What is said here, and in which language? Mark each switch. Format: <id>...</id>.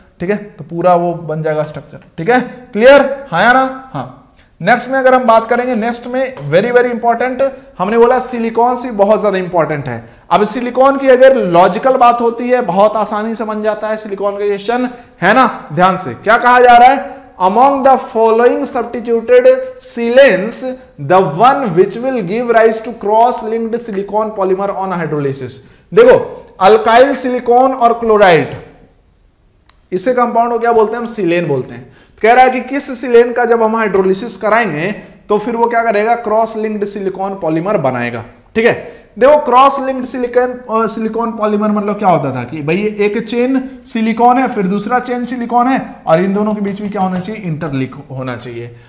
<hi>ठीक है, तो पूरा वो बन जाएगा स्ट्रक्चर. ठीक है, क्लियर है ना. हाँ, नेक्स्ट में अगर हम बात करेंगे, नेक्स्ट में वेरी वेरी इंपॉर्टेंट, हमने बोला सिलिकॉन से बहुत ज्यादा इंपॉर्टेंट है. अब सिलिकॉन की अगर लॉजिकल बात होती है बहुत आसानी से बन जाता है सिलिकॉन का क्वेश्चन है ना. ध्यान से क्या कहा जा रहा है,</hi> <en>Among the following substituted silanes, the one which will give rise to cross-linked silicon polymer on hydrolysis.</en> <hi>देखो, alkyl silicon और chloride, इसे compound को क्या बोलते हैं, हम silane बोलते हैं. कह रहा है कि किस silane का जब हम hydrolysis कराएंगे तो फिर वो क्या करेगा, cross-linked silicon polymer बनाएगा. ठीक है, देखो cross linked silicon silicon polymer मतलब क्या होता था कि भाई एक चेन सिलिकॉन है फिर दूसरा चेन सिलिकॉन है और इन दोनों के बीच में क्या होना चाहिए इंटरलिंक होना चाहिए।</hi>